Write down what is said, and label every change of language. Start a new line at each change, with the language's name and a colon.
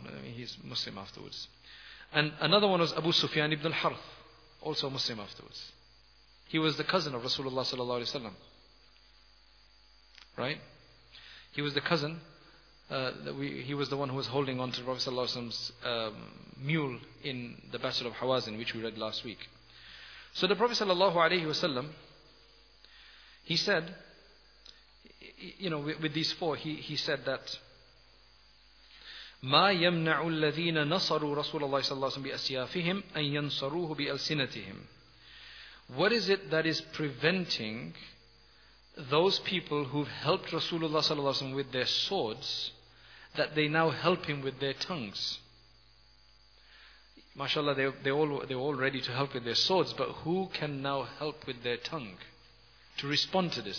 English: I mean, he's Muslim afterwards. And another one was Abu Sufyan ibn al-Harth, also a Muslim afterwards. He was the cousin of Rasulullah sallallahu alayhi wa sallam. Right? He was the cousin he was the one who was holding on to the Prophet ﷺ's mule in the Battle of Hawazin, which we read last week.
Arabic: So the Prophet ﷺ, he said, you know, with these four, he said that, مَا يَمْنَعُ الَّذِينَ نَصَرُوا رَسُولَ اللَّهِ صَلَّى اللَّهُ عَلَيْهِ وَسَلَّمْ بِأَسْيَافِهِمْ أَنْ يَنْصَرُوهُ بِأَلْسِنَتِهِمْ.
English: What is it that is preventing those people who've helped Rasulullah صلى الله عليه وسلم with their swords, that they now help him with their tongues? MashaAllah, they're all ready to help with their swords, but who can now help with their tongue to respond to this?